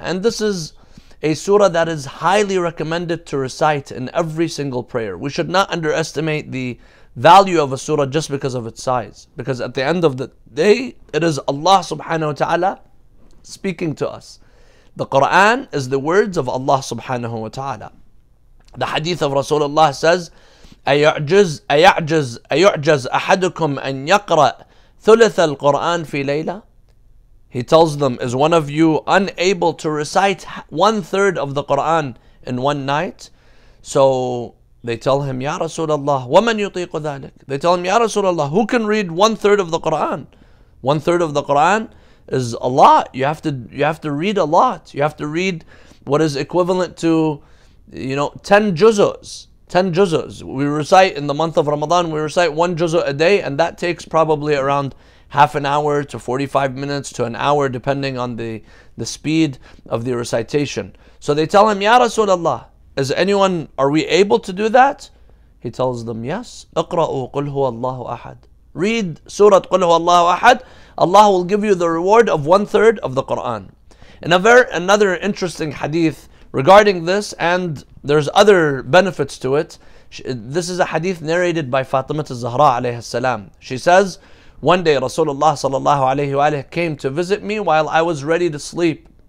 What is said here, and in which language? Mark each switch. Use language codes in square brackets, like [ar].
[en] And this is a surah that is highly recommended to recite in every single prayer. We should not underestimate the value of a surah just because of its size. Because at the end of the day, it is Allah subhanahu wa ta'ala speaking to us. The Quran is the words of Allah subhanahu wa ta'ala. The hadith of Rasulullah says, [ar] أَيُعْجَزْ أَحَدُكُمْ أَنْ يَقْرَأْ ثُلَثَ الْقُرْآنِ فِي لَيْلَةٍ. [en] He tells them, is one of you unable to recite one-third of the Quran in one night? So they tell him, Ya Rasulullah, [ar] وَمَنْ يُطِيقُ ذَلِكَ. [en] They tell him, Ya Rasulullah, who can read one-third of the Quran? One-third of the Quran is a lot. You have to read a lot. You have to read what is equivalent to, you know, 10 juzus. We recite in the month of Ramadan, we recite one juzu a day, and that takes probably around half an hour to 45 minutes to an hour, depending on the speed of the recitation. So they tell him, Ya Rasulullah, are we able to do that? He tells them, yes. [ar] اقرأوا قل هو الله أحد. [en] Read Surah قل هو الله أحد. Allah will give you the reward of one-third of the Qur'an. Another interesting hadith regarding this, and there's other benefits to it. This is a hadith narrated by Fatima al-Zahra alayhi salam. She says, one day Rasulullah sallallahu alayhi wa alayhi came to visit me while I was ready to sleep.